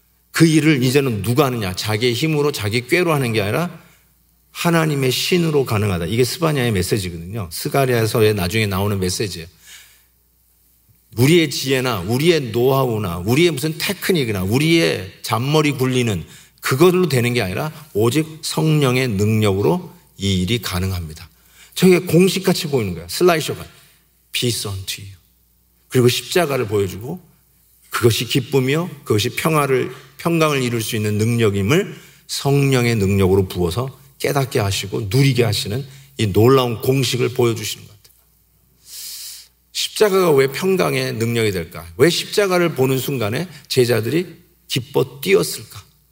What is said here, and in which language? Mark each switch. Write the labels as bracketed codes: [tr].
[ko] 그 일을 이제는 누가 하느냐? 자기의 힘으로 자기 꾀로 하는 게 아니라 하나님의 신으로 가능하다. 이게 스바냐의 메시지거든요. 스가랴서에 나중에 나오는 메시지예요. 우리의 지혜나 우리의 노하우나 우리의 무슨 테크닉이나 우리의 잔머리 굴리는 그걸로 되는 게 아니라 오직 성령의 능력으로 이 일이 가능합니다. 저게 공식같이 보이는 거야. [en] 슬라이쇼가 Peace unto you. [ko] 그리고 십자가를 보여주고 그것이 기쁨이요 그것이 평화를 평강을 이룰 수 있는 능력임을 성령의 능력으로 부어서 깨닫게 하시고 누리게 하시는 이 놀라운 공식을 보여주시는 것 같아요. 십자가가 왜 평강의 능력이 될까? 왜 십자가를 보는 순간에 제자들이 기뻐 뛰었을까?